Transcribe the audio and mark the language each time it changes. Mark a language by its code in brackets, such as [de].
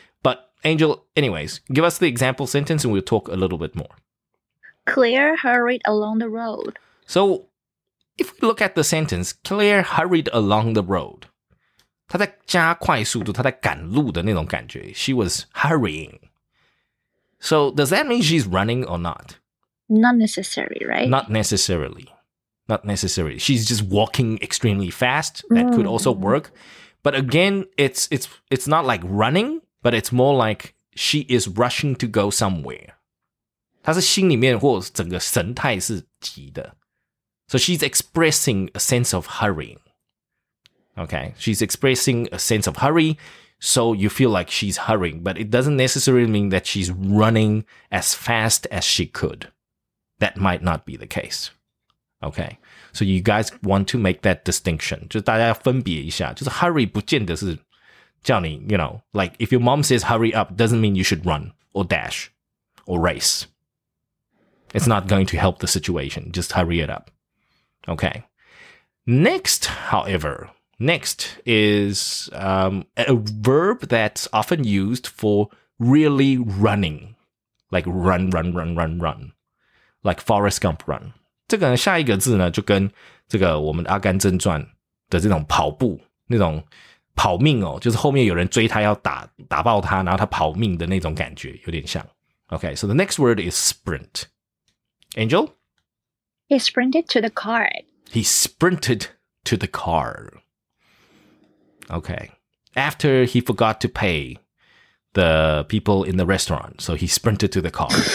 [en] But Angel, anyways, give us the example sentence and we'll talk a little bit more. Claire hurried along the road. So if we look at the sentence, Claire hurried along the road. [zh] 他在加快速度，他在赶路的那种感觉。 [en] She was hurrying. So does that mean she's running or not? Not necessarily, right? Not necessarily. Not necessarily. She's just walking extremely fast. That could also work. But again, it's not like running, but it's more like she is rushing to go somewhere. [zh] 他是心里面或整个神态是急的。 [en] So she's expressing a sense of hurrying. Okay, she's expressing a sense of hurry, so you feel like she's hurrying, but it doesn't necessarily mean that she's running as fast as she could. That might not be the case. Okay, so you guys want to make that distinction. [zh] 就大家要分别一下，就是 hurry 不见得是叫你, [en] you know, like if your mom says hurry up, doesn't mean you should run or dash or race. It's not going to help the situation. Just hurry it up. Okay, next, however... Next is a verb that's often used for really running, like run, run, run, run, run, like Forrest Gump run. [zh] 这个下一个字呢，就跟这个我们《阿甘正传》的这种跑步，那种跑命哦，就是后面有人追他要打爆他，然后他跑命的那种感觉有点像。 [en] Okay, so the next word is sprint. Angel? He sprinted to the car. He sprinted to the car. Okay, after he forgot to pay the people in the restaurant, so he sprinted to the car.